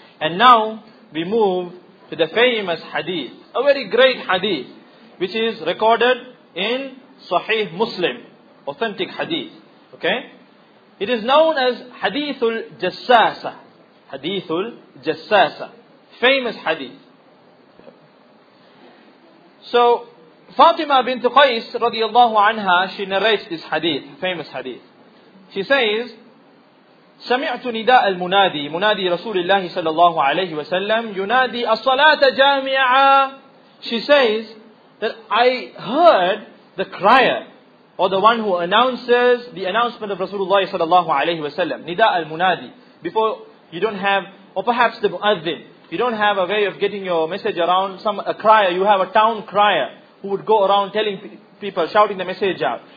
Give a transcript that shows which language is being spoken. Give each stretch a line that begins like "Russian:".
English: And now we move to the famous hadith, a very great hadith, which is recorded in Sahih Muslim, authentic hadith. Okay? It is known as Hadithul Jassasa. Hadithul Jassasa. Famous hadith. So, Fatima bint Qais radiallahu anha, she narrates this hadith, famous hadith. She says,
Arabic: سَمِعْتُ نِدَاءَ الْمُنَادِي مُنَادِي رَسُولِ اللَّهِ صَلَى اللَّهُ عَلَيْهِ وَسَلَّمْ يُنَادِي أَصَّلَاتَ جَامِعَا.
English: She says that I heard the crier, or the one who announces the announcement of Rasulullah صلى الله عليه وسلم.
Arabic: نداء المنادي.
English: Before you don't have, or perhaps the muadzin. You don't have a way of getting your message around, a crier, you have a town crier who would go around telling people, shouting the message out.